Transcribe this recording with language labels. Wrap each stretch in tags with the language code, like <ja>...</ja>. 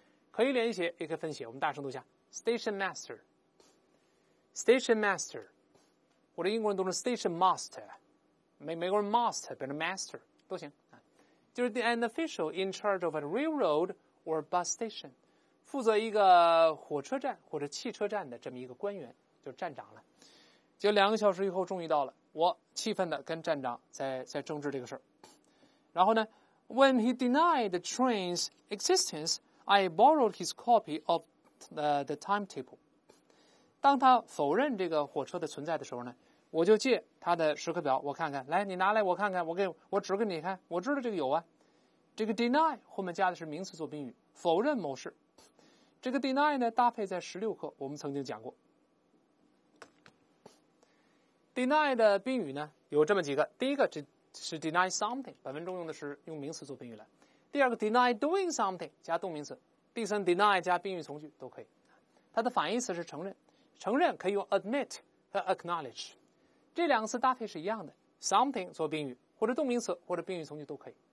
<zh>可以连写也可以分写，我们大声读一下 station master 或者英国人读成 station master， 美国人 master 变成 master 都行，就是</zh> <en>an official in charge of a railroad or bus station，</en> <zh>负责一个火车站或者汽车站的这么一个官员，就是站长了。就两个小时以后终于到了，我气愤的跟站长在争执这个事儿。然后呢</zh> <en>，When he denied the train's existence, I borrowed his copy of the timetable。</en> <zh>当他否认这个火车的存在的时候呢，我就借他的时刻表，我看看，来，你拿来我看看，我指给你看，我知道这个有啊。这个 deny 后面加的是名词做宾语，否认某事。这个 deny 呢搭配在16课我们曾经讲过 deny 的宾语呢有这么几个，第一个是 deny something， 本文中用的是用名词做宾语来，第二个 deny doing something 加动名词，第三 deny 加宾语从句都可以，它的反义词是承认，承认可以用 admit 和 acknowledge， 这两个词搭配是一样的， something 做宾语或者动名词或者宾语从句都可以。</zh>